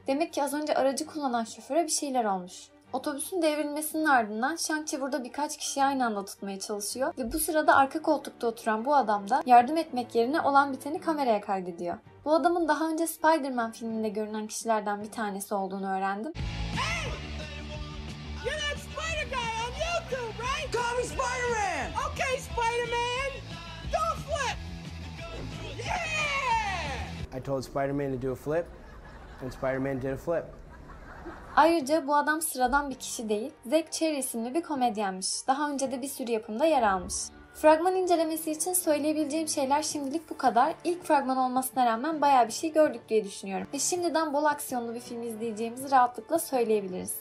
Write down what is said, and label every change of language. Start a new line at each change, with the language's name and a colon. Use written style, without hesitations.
Turkish: Demek ki az önce aracı kullanan şoföre bir şeyler olmuş. Otobüsün devrilmesinin ardından Shang-Chi burada birkaç kişiyi aynı anda tutmaya çalışıyor ve bu sırada arka koltukta oturan bu adam da yardım etmek yerine olan biteni kameraya kaydediyor. Bu adamın daha önce Spider-Man filminde görünen kişilerden bir tanesi olduğunu öğrendim.
English: Hey! You're that spider guy on YouTube, right? Call me Spider-Man! Okay, Spider-Man! Don't flip! Yeah! I told Spider-Man to do a flip, and Spider-Man did a flip.
Turkish: Ayrıca bu adam sıradan bir kişi değil, Zack Cherry isimli bir komedyenmiş. Daha önce de bir sürü yapımda yer almış. Fragman incelemesi için söyleyebileceğim şeyler şimdilik bu kadar. İlk fragman olmasına rağmen bayağı bir şey gördük diye düşünüyorum. Ve şimdiden bol aksiyonlu bir film izleyeceğimizi rahatlıkla söyleyebiliriz.